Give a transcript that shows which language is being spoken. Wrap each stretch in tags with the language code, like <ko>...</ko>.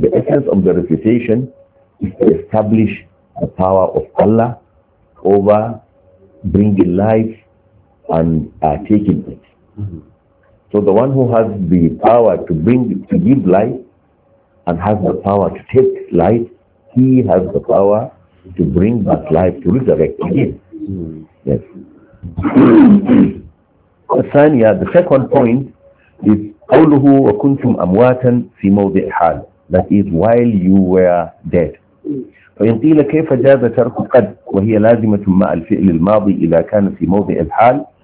<en>The essence of the refutation is to establish the power of Allah over bringing life and taking it. Mm-hmm. So the one who has the power to give life and has the power to take life, he has the power to bring back life, to resurrect again. Mm-hmm. Yes. The second point is</en> <ar>قوله وكنتم أمواتا في موضع حال.</ar> <en>That is, while you were dead.</en> <ar>فإن قيل كيف جاز ترك قد وهي لازمة مع الفعل الماضي إذا كان في موضع الحال.</ar>